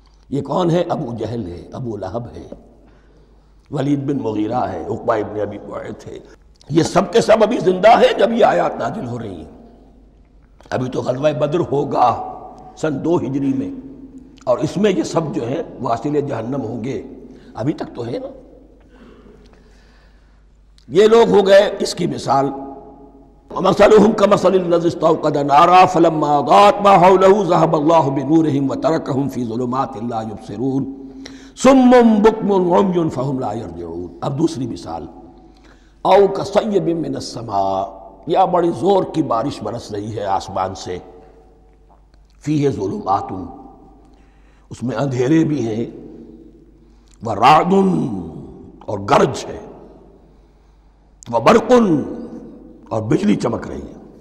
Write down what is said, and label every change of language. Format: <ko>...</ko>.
<ur>یہ کون ہے؟ ابو جہل ہے، ابو لہب ہے، ولید بن مغیرہ ہے، عقبہ ابن ابی معیط ہے، یہ سب کے سب ابھی زندہ ہیں جب یہ آیات نازل ہو رہی ہیں. ابھی تو غزوہ بدر ہوگا سن 2 ہجری میں، اور اس میں یہ سب جو ہیں واصل جہنم ہوں گے، ابھی تک تو ہے نا. یہ لوگ ہو گئے اس کی مثال.</ur> <ar>مثلہم کمثل الذی استوقد نارا فلما اضاءت ما حوله ذهب الله بنورهم وتركهم في ظلمات لا يبصرون صم بكم عمي فهم لا يرجعون.</ar> <ur>اب دوسری مثال.</ur> <ar>او كصيب من السماء،</ar> <ur>یا بڑی زور کی بارش برس رہی ہے آسمان سے.</ur> <ar>فيه ظلمات،</ar> <ur>اس میں اندھیرے بھی ہیں.</ur> <ar>ورعد،</ar> <ur>اور گرج ہے.</ur> <ar>وبرق،</ar> <ur>اور بجلی چمک رہی ہے.</ur>